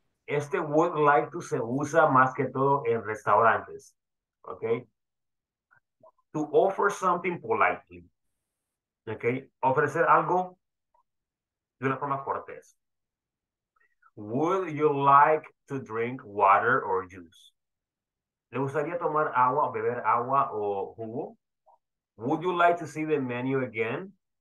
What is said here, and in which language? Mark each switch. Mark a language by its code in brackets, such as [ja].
[es] Este would like to se usa más que todo en restaurantes. Okay. [en] To offer something politely. [es] Okay, ofrecer algo de una forma cortés. [en] Would you like to drink water or juice? [es] ¿Le gustaría tomar agua, beber agua o jugo? [en] Would you like to see the menu again?